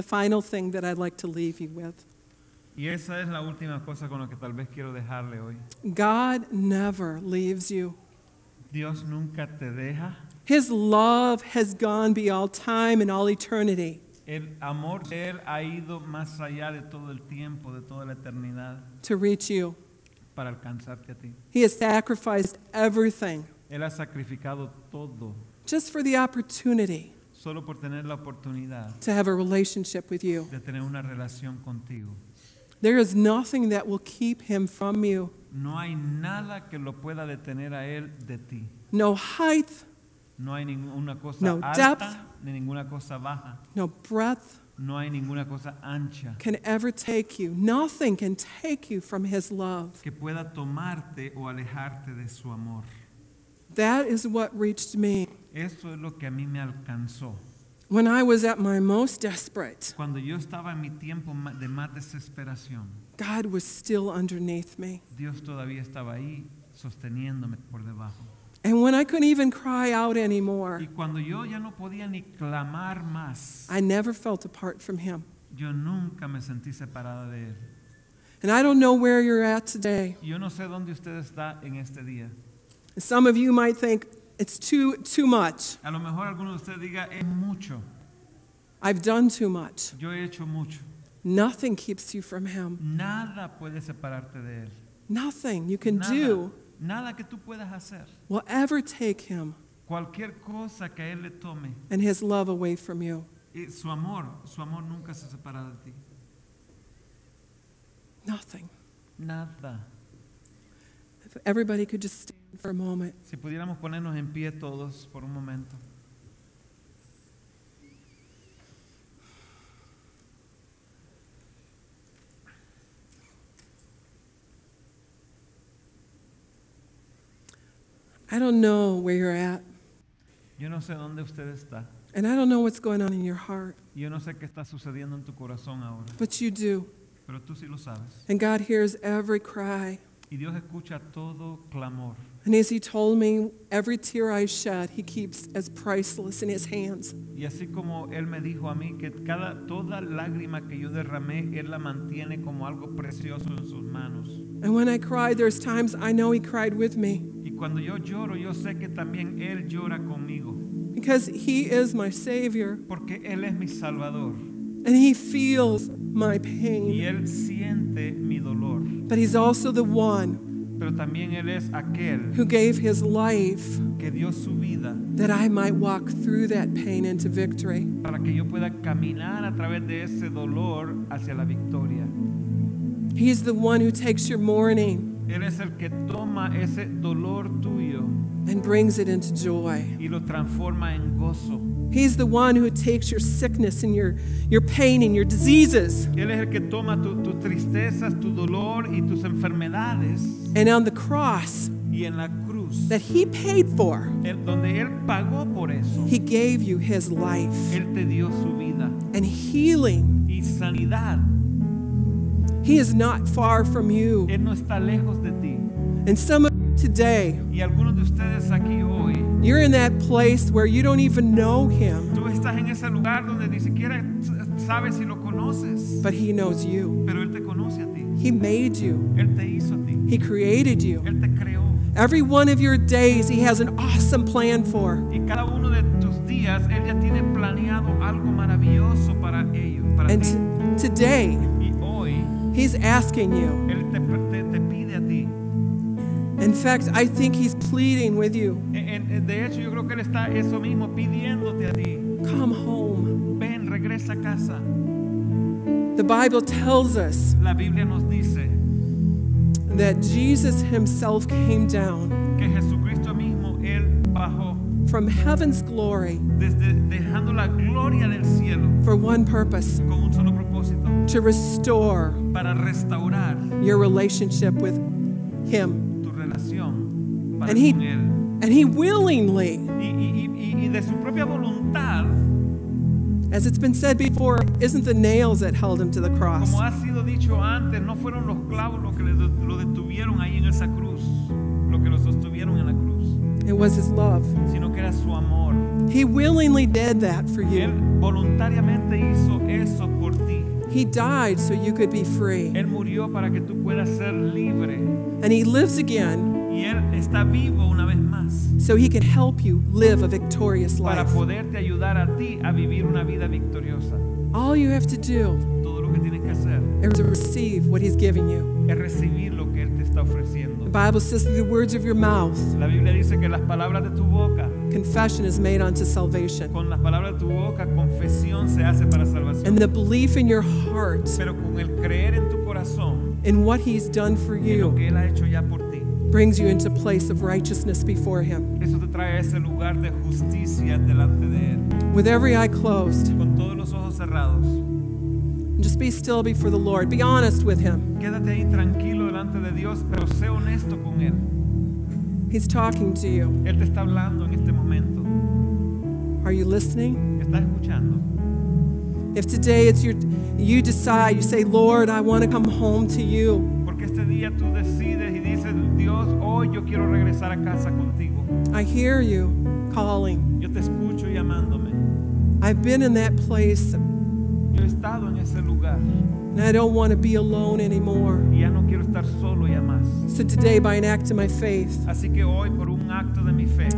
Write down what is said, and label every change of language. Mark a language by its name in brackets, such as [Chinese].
[English] the final thing that I'd like to leave you with. [Spanish] Y esa es la última cosa con la que tal vez quiero dejarle hoy. [English] God never leaves you. [Spanish] Dios nunca te deja. [English] His love has gone beyond all time and all eternity. [Spanish] El amor de él ha ido más allá de todo el tiempo, de toda la eternidad. [English] To reach you. [Spanish] Para alcanzarte a ti. [English] He has sacrificed everything. [Spanish] Él ha sacrificado todo. [English] Just for the opportunity. [Spanish] Solo por tener la oportunidad. [English] To have a relationship with you. [Spanish] De tener una relación contigo. [English] There is nothing that will keep him from you. [Spanish] No hay nada que lo pueda detener a él de ti. [English] No height. [Spanish] No hay ninguna cosa no alta, [English] depth, [Spanish] ni ninguna cosa baja. [English] No breadth. [Spanish] No hay ninguna cosa ancha. [English] Can ever take you. Nothing can take you from his love. [Spanish] Que pueda tomarte o alejarte de su amor. [English] That is what reached me. [Spanish] Eso es lo que a mí me alcanzó. [English] When I was at my most desperate. [Spanish] Cuando yo estaba en mi tiempo de más desesperación. [English] God was still underneath me. [Spanish] Dios todavía estaba ahí sosteniéndome por debajo. [English] And when I couldn't even cry out anymore, [Spanish] y cuando yo ya no podía ni clamar más, [English] I never felt apart from him. [Spanish] Yo nunca me sentí separada de él. [English] And I don't know where you're at today. [Spanish] Yo no sé dónde usted está en este día. [English] Some of you might think it's too much. [Spanish] A lo mejor alguno de ustedes diga, es mucho. [English] I've done too much. [Spanish] Yo he hecho mucho. [English] Nothing keeps you from him. [Spanish] Nada puede separarte de él. [English] Nothing you can [Spanish] Nada. [English] Do. [Spanish] Nada que tú puedas hacer. [English] Will ever take him. [Spanish] Cualquier cosa que él le tome. [English] And his love away from you. [Spanish] Y su amor nunca se separa de ti. [English] Nothing. [Spanish] Nada. [English] If everybody could just stand for a moment. [Spanish] Si pudiéramos ponernos en pie todos por un momento. [English] I don't know where you're at. [Spanish] Yo no sé dónde usted está. [English] And I don't know what's going on in your heart. [Spanish] Yo no sé qué está sucediendo en tu corazón ahora. [English] But you do. [Spanish] Pero tú sí lo sabes. [English] And God hears every cry. [Spanish] Y Dios escucha todo clamor. [English] And as he told me, every tear I shed, he keeps as priceless in his hands. [Spanish] Y así como él me dijo a mí que toda lágrima que yo derramé, él la mantiene como algo precioso en sus manos. [English] And when I cry, there's times I know he cried with me. [Spanish] Cuando yo lloro, yo sé que también él llora conmigo. [English] Because he is my savior. [Spanish] Porque él es mi salvador. [English] And he feels my pain. [Spanish] Y él siente mi dolor. [English] But he's also the one. [Spanish] Pero también él es aquel. [English] Who gave his life. [Spanish] Que dio su vida. [English] That I might walk through that pain into victory. [Spanish] Para que yo pueda caminar a través de ese dolor hacia la victoria. [English] He's the one who takes your mourning. [Spanish] Él es el que toma ese dolor tuyo [English] and brings it into joy. [Spanish] Y lo transforma en gozo. [English] He's the one who takes your sickness and your pain and your diseases. [Spanish] Él es el que toma tus tristezas, tu dolor y tus enfermedades. [English] And on the cross, [Spanish] y en la cruz, [English] that he paid for, [Spanish] donde él pagó por eso, [English] he gave you his life. [Spanish] Él te dio su vida. [English] And healing. [Spanish] Y sanidad. [English] He is not far from you. [Spanish] Él no está lejos de ti. [English] And some of you today, [Spanish] y algunos de ustedes aquí hoy, [English] you're in that place where you don't even know him. [Spanish] Tú estás en ese lugar donde ni siquiera sabes si lo conoces. [English] But he knows you. [Spanish] Pero él te conoce a ti. [English] He made you. [Spanish] Él te hizo a ti. [English] He created you. [Spanish] Él te creó. [English] Every one of your days, he has an awesome plan for. [Spanish] Y cada uno de tus días, él ya tiene planeado algo maravilloso para ellos, para [English] and [Spanish] ti. [English] Today, he's asking you. [Spanish] Él te pide a ti. [English] In fact, I think he's pleading with you. [Spanish] De hecho, yo creo que él está eso mismo pidiéndote a ti. [English] Come home. [Spanish] Ven, regresa a casa. [English] The Bible tells us. [Spanish] La Biblia nos dice. [English] That Jesus himself came down. [Spanish] Que Jesucristo mismo él bajó. [English] From heaven's glory. [Spanish] Desde dejando la gloria del cielo. [English] For one purpose. [Spanish] Con un solo propósito. [English] To restore. [Spanish] Para restaurar [English] your relationship with him. [Spanish] Tu relación para [English] and he, [Spanish] con él. [English] And he willingly. [Spanish] Y de su propia voluntad. [English] As it's been said before, isn't the nails that held him to the cross. [Spanish] Como ha sido dicho antes, no fueron los clavos los que lo detuvieron ahí en esa cruz. Lo que lo sostuvieron en la cruz. [English] It was his love. [Spanish] Sino que era su amor. [English] He willingly did that for you. [Spanish] Él voluntariamente hizo eso por ti. [English] He died so you could be free. [Spanish] Él murió para que tú puedas ser libre. [English] And he lives again. [Spanish] Y él está vivo una vez más. [English] So he can help you live a victorious life. [Spanish] Para poderte ayudar a ti a vivir una vida victoriosa. [English] All you have to do, [Spanish] todo lo que tienes que hacer, [English] is to receive what he's giving you. [Spanish] Es recibir lo que él te está ofreciendo. [English] The Bible says that the words of your mouth, [Spanish] la Biblia dice que las palabras de tu boca, [English] confession is made unto salvation. [Spanish] Con las palabras de tu boca, confesión se hace para salvación. [English] And the belief in your heart, [Spanish] pero con el creer en tu corazón, [English] in what he's done for you, [Spanish] en lo que él ha hecho ya por ti, [English] brings you into a place of righteousness before him. [Spanish] Eso te trae a ese lugar de justicia delante de él. [English] With every eye closed, [Spanish] con todos los ojos cerrados, [English] just be still before the Lord. Be honest with him. [Spanish] Quédate ahí tranquilo delante de Dios, pero sé honesto con él. [English] He's talking to you. [Spanish] Él te está hablando en este momento. [English] Are you listening? [Spanish] ¿Estás escuchando? [English] If today it's your, you decide, you say, Lord, I want to come home to you. [Spanish] Porque este día tú decides y dices, Dios, hoy yo quiero regresar a casa contigo. [English] I hear you calling. [Spanish] Yo te escucho llamándome. [English] I've been in that place. [Spanish] Yo he estado en ese lugar. [English] And I don't want to be alone anymore. [Spanish] Y ya no quiero estar solo ya más. [English] So today, by an act of my faith, [Spanish] así que hoy, por un acto de mi fe,